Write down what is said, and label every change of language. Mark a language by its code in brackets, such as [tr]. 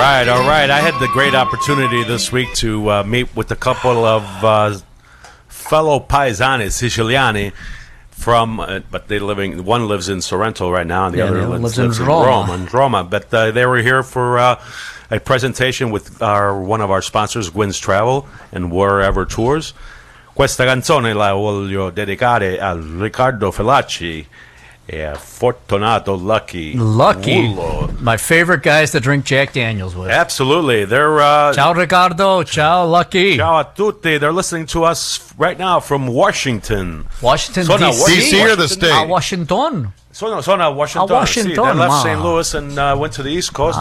[en] All right, I had the great opportunity this week to meet with a couple of fellow paisani, siciliani, from but they're living, one lives in Sorrento right now, and the other lives in Roma. But they were here for a presentation with one of our sponsors, Gwyn's Travel and Wherever Tours. [it] Questa canzone la voglio dedicare a Riccardo Felacci e a Fortunato Lucky Ullo. [en] My favorite guys to drink Jack Daniels with. Absolutely. They're [it] ciao Riccardo, ciao Lucky. Ciao a tutti. [en] They're listening to us right now from Washington. Washington, D.C.? D.C. Washington, or the state? Washington. [it] Sono Washington. [en] Washington. They left St. Louis and went to the East Coast.